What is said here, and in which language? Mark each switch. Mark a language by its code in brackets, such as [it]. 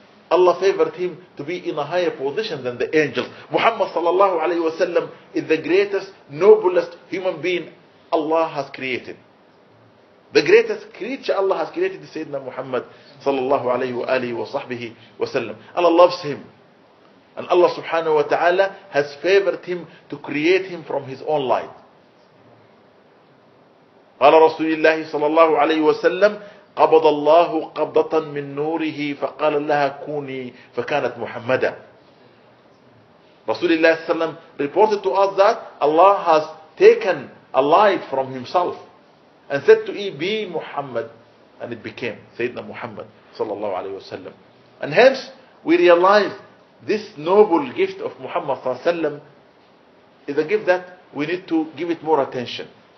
[en] Allah favored him to be in a higher position than the angels. Muhammad sallallahu alayhi wa sallam is the greatest, noblest human being Allah has created. The greatest creature Allah has created is Sayyidina Muhammad sallallahu alayhi wa sahbihi wa sallam. Allah loves him. And Allah subhanahu wa ta'ala has favored him to create him from his own light. [ar] قال رسول الله صلى الله عليه وسلم قبض الله قبضة من نوره فقال لها كوني فكانت محمدا. رسول الله صلى الله عليه وسلم [en] reported to us that Allah has taken a light from himself and said to be Muhammad, and it became Sayyidina Muhammad [ar] صلى الله عليه وسلم. [en] And hence we realize this noble gift of Muhammad [ar] صلى الله عليه وسلم [en] is a gift that we need to give it more attention.